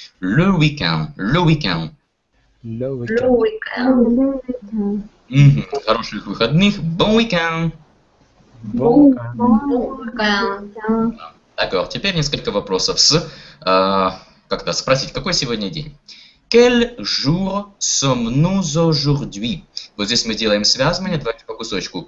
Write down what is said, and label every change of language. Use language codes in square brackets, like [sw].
[fr] «Le weekend», «le weekend». «Le weekend». «Le weekend». [ru] Mm-hmm. Хороших выходных. [fr] «Bon weekend». «Bon weekend». D'accord, [ru] теперь несколько вопросов с… как-то спросить, какой сегодня день? [fr] Quel jour sommes-nous aujourd'hui? [ru] Вот здесь мы делаем связывание, давайте по кусочку.